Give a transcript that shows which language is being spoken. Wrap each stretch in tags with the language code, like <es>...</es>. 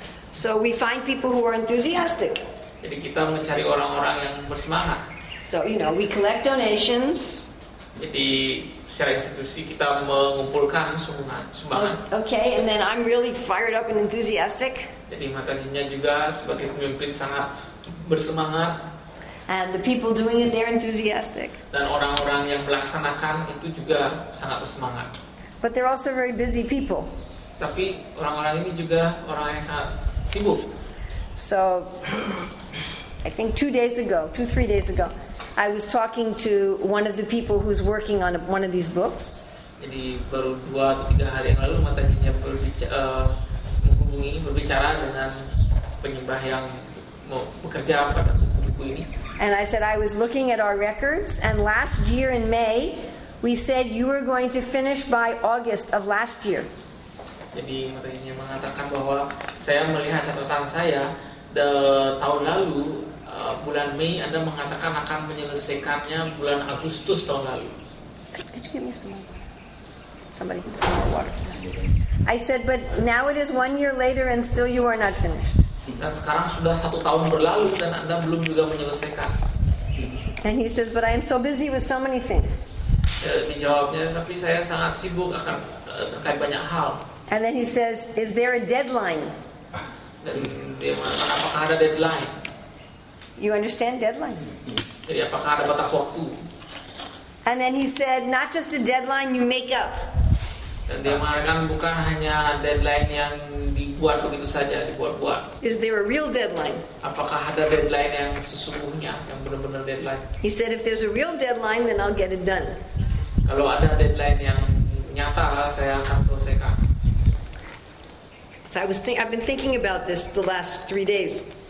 <en>So we find people who are enthusiastic.</en> <id>Jadi kita mencari orang-orang yang bersemangat.</id> <en>So you know, we collect donations.</en> <id>Jadi secara institusi kita mengumpulkan sumbangan.</id> <en>Okay, and then I'm really fired up and enthusiastic.</en> <id>Jadi matanya juga sebagai pemimpin sangat bersemangat.</id> <en>And the people doing it, they're enthusiastic.</en> <id>Dan orang-orang yang melaksanakan itu juga sangat bersemangat.</id> <en>But they're also very busy people.</en> <id>Tapi orang-orang ini juga orang yang sangat sibuk.</id> <en>So, I think two, three days ago, I was talking to one of the people who's working on one of these books.</en> <id>Jadi baru 2 atau 3 hari yang lalu matanya baru menghubungi, berbicara dengan penyembah yang bekerja pada buku ini.</id> <en>And I said, I was looking at our records, and last year in May, we said you were going to finish by August of last year.</en> <id>Jadi matanya mengatakan bahwa saya melihat catatan saya the tahun lalu, bulan Mei Anda mengatakan akan menyelesaikannya bulan Agustus tahun lalu.</id> <en>Could you give me some water? Somebody give me some more water. I said, but now it is 1 year later and still you are not finished.</en> <id>Dan sekarang sudah 1 tahun berlalu dan Anda belum juga menyelesaikan.</id> <en>And he says, but I am so busy with so many things.</en> <id>Dijawabnya, tapi saya sangat sibuk akan terkait banyak hal.</id> <en>And then he says, is there a deadline?</en> <id>Dia mengatakan, apakah ada deadline?</id> <en>You understand deadline.</en> <id>Jadi apakah ada batas waktu?</id> <en>And then he said, not just a deadline you make up.</en> <id>Dan dia mengatakan bukan hanya deadline yang dibuat begitu saja, dibuat-buat.</id> <en>Is there a real deadline?</en> <id>Apakah ada deadline yang sesungguhnya, yang benar-benar deadline?</id> <en>He said, if there's a real deadline, then I'll get it done.</en> <id>Kalau ada deadline yang nyata, saya akan selesaikan.</id> <en>So I've been thinking about this the last 3 days.</en>